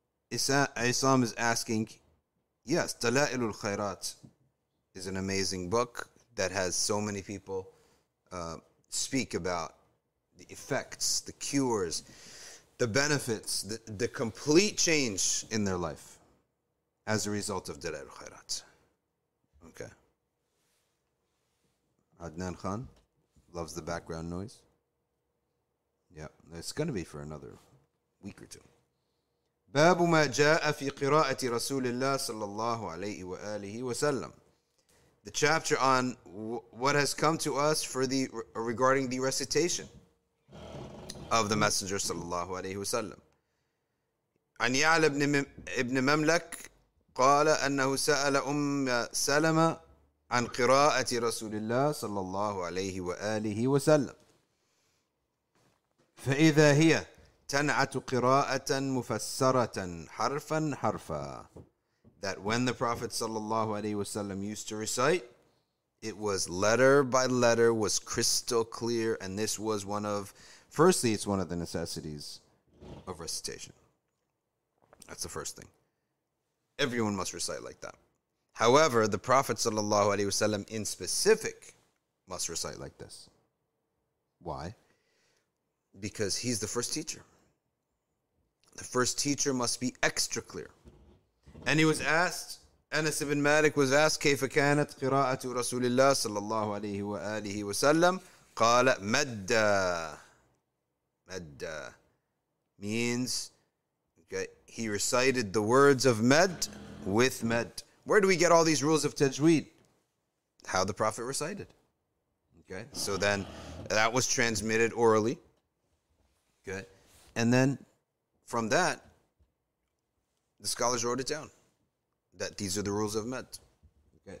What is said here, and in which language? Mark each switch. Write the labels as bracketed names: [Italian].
[English] Isam is asking, yes, Dala'ilul Khairat is an amazing book that has so many people speak about the effects, the cures, the benefits, the complete change in their life as a result of Dala'ilul Khairat. Okay. Adnan Khan loves the background noise. Yeah, it's going to be for another week or two. [Arabic] باب ما جاء في قراءة رسول الله صلى الله عليه وآله وسلم. [English] The chapter on what has come to us for the regarding the recitation of the Messenger [Arabic] صلى الله عليه وسلم. عن يعلى ابن مملك قال أنه سأل أم سلمة عن قراءة رسول الله صلى الله عليه وآله وسلم. فإذا هي تنعة قراءة مفسرة حرفا حرفا. [English] That when the Prophet sallallahu alaihi wasallam used to recite, it was letter by letter, was crystal clear, and this was one of, firstly, it's one of the necessities of recitation. That's the first thing. Everyone must recite like that. However, the Prophet sallallahu alaihi wasallam in specific must recite like this. Why? Because he's the first teacher. The first teacher must be extra clear. And he was asked, Anas ibn Malik was asked, [Arabic] كيف كانت قراءة رسول الله صلى الله عليه وآله وسلم؟ قال مدى. [English] مدى means, okay, he recited the words of مد with مد. Where do we get all these rules of tajweed? How the Prophet recited. Okay, so then that was transmitted orally. Okay, and then from that, the scholars wrote it down, that these are the rules of Med. Okay.